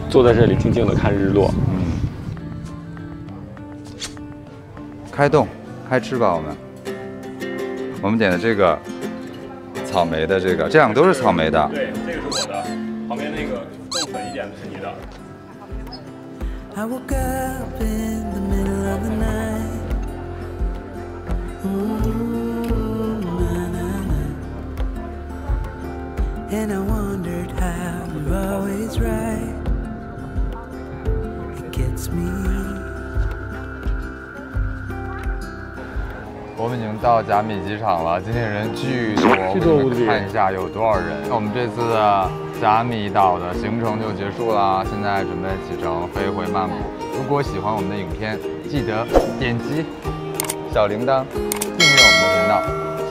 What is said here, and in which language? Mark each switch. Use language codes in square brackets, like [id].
[zh] 坐在这里静静的看日落，开动，开吃吧，我们点的这个草莓的这个，这两个都是草莓的，对，这个是我的，旁边那个更粉一点的是你的。 [en] I woke up in the middle of the night, and I wondered how you're always right. It gets me. [zh] 我们已经到甲米机场了，今天人巨多，我们看一下有多少人。那我们这次的甲米岛的行程就结束了，现在准备启程飞回曼谷。如果喜欢我们的影片，记得点击小铃铛，订阅我们的频道。